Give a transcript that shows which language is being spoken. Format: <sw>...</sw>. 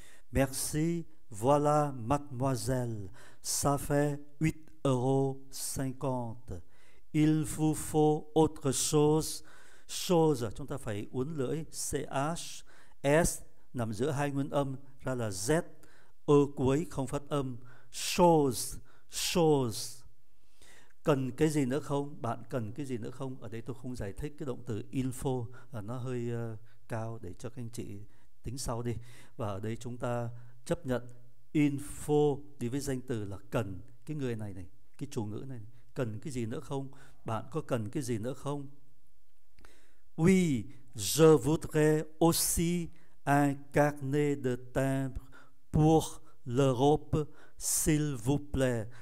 <fr>Merci, voilà mademoiselle, ça fait 8,50 €. Il vous faut autre chose,</fr> <vi>chose, chúng ta phải uốn lưỡi, CH, S nằm giữa hai nguyên âm, ra là Z, ơ cuối không phát âm, chose, shows. Cần cái gì nữa không? Bạn cần cái gì nữa không? Ở đây tôi không giải thích cái động từ info, nó hơi cao để cho các anh chị tính sau đi. Và ở đây chúng ta chấp nhận info đi với danh từ là cần. Cái người này này, cái chủ ngữ này, cần cái gì nữa không? Bạn có cần cái gì nữa không?</vi> <fr>Oui, je voudrais aussi un carnet de timbre pour l'Europe, s'il vous plaît.</fr>